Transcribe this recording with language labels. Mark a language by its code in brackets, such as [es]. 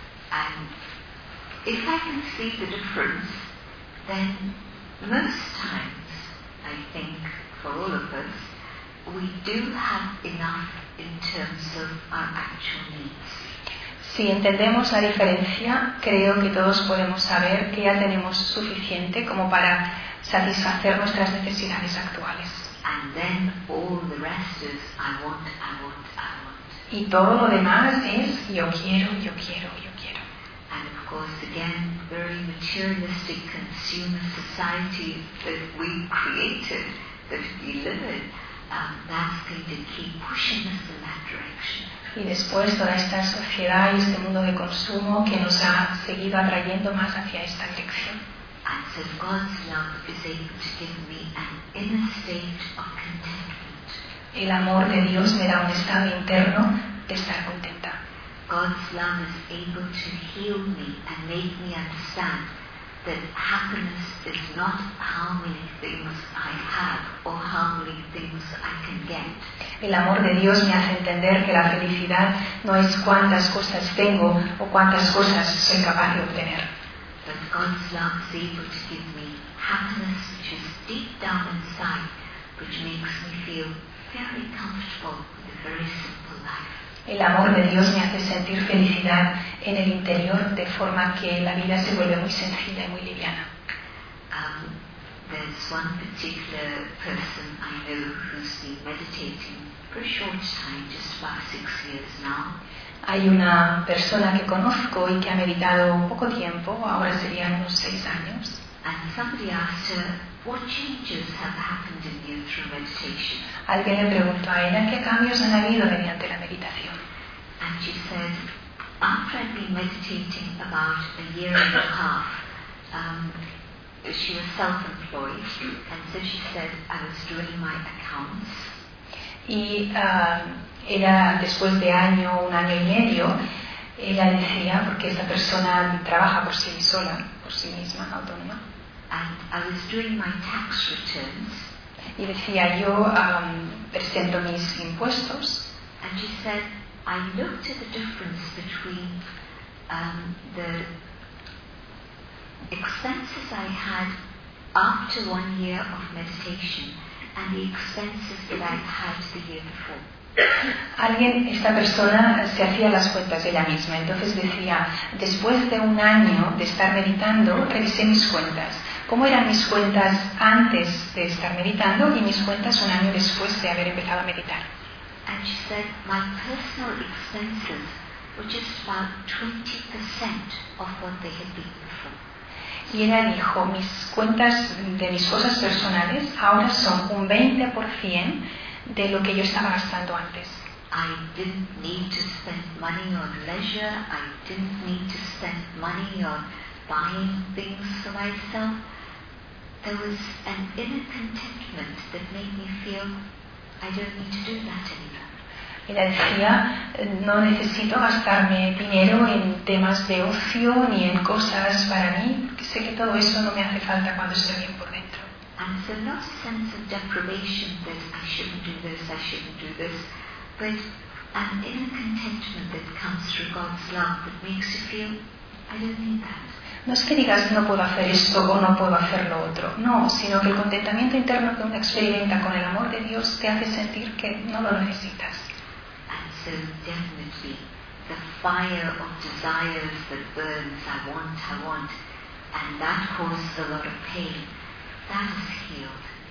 [en] And if I can see the difference, then most times, I think, for all of us, we do have enough in terms of our actual needs. [es] Si entendemos la diferencia, creo que todos podemos saber que ya tenemos suficiente como para satisfacer nuestras necesidades actuales. [en] And then all the rest is I want, I want, I want. [es] Y todo lo demás es yo quiero, yo quiero, yo quiero. [en] And of course, again, very materialistic consumer society that we created, that we live in. That's going to keep pushing us in that direction. [es] Y después toda esta sociedad y este mundo de consumo que nos ha seguido atrayendo más hacia esta dirección. [en] And so God's love is able to give me an inner state of contentment. [es] El amor de Dios me da un estado interno de estar contenta. [en] God's love is able to heal me and make me understand that happiness is not how many things I have or how many things I can get. [es] El amor de Dios me hace entender que la felicidad no es cuántas cosas tengo o cuántas cosas soy capaz de obtener. [en] But God's love is able to give me happiness which is deep down inside, which makes me feel very comfortable with a very simple life. [es] El amor de Dios me hace sentir felicidad en el interior de forma que la vida se vuelve muy sencilla y muy liviana. [en] There's one particular person I know who's been meditating for a short time, just about 6 years now. [es] Hay una persona que conozco y que ha meditado un poco tiempo, ahora serían unos 6 años. [en] And somebody asked her, what changes have happened in you through meditation? [es] Alguien le preguntó a ella qué cambios han habido mediante la meditación. [en] And she said, after I'd been meditating about a year and a half, she was self-employed, and so she said, I was doing my accounts. [es] Y era después de un año y medio, ella decía, porque esta persona trabaja por sí sola, por sí misma, autónoma. [en] And I was doing my tax returns. [es] Y decía, yo presento mis impuestos. [en] And she said, I looked at the difference between the expenses I had after 1 year of meditation and the expenses that I had the year before. [es] Alguien, esta persona se hacía las cuentas ella misma. Entonces decía, después de un año de estar meditando, revisé mis cuentas. ¿Cómo eran mis cuentas antes de estar meditando y mis cuentas un año después de haber empezado a meditar? [en] And she said, my personal expenses were just about 20% of what they had been before. [es] Y ella dijo, mis cuentas de mis cosas personales ahora son un 20% de lo que yo estaba gastando antes. [en] I didn't need to spend money on leisure, I didn't need to spend money on buying things for myself. There was an inner contentment that made me feel I don't need to do that anymore. [es] Ella decía, no necesito gastarme dinero en temas de ocio ni en cosas para mí, porque sé que todo eso no me hace falta cuando estoy bien por dentro. [en] And so not a sense of deprivation that I shouldn't do this, but an inner contentment that comes through God's love that makes you feel, I don't need that. [es] No es que digas no puedo hacer esto o no puedo hacer lo otro. No, sino que el contentamiento interno que uno experimenta con el amor de Dios te hace sentir que no lo necesitas. [en] And so definitely the fire of desires that burns, I want, and that causes a lot of pain, that is healed.